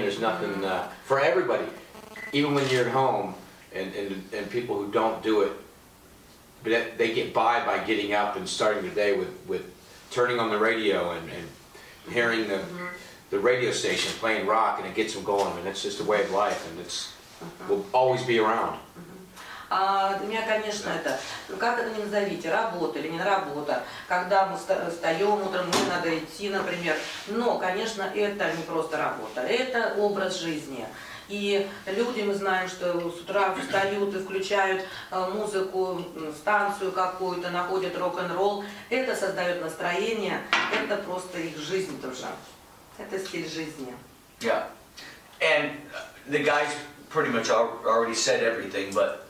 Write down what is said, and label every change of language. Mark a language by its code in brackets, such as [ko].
[en] There's nothing for everybody, even when you're at home and people who don't do it. But they get by getting up and starting their day with turning on the radio and hearing the radio station playing rock, and it gets them going, and it's just a way of life, and it's will always be around. [ru] Для меня, конечно, это, как это ни назовите, работа или не работа, когда мы встаем утром, мне надо идти, например. Но, конечно, это не просто работа, это образ жизни. И люди, мы знаем, что с утра встают и включают музыку, станцию какую-то, находят рок-н-ролл. Это создает настроение, это просто их жизнь тоже. Это стиль жизни. [en] Yeah. And the guys pretty much already said everything, but...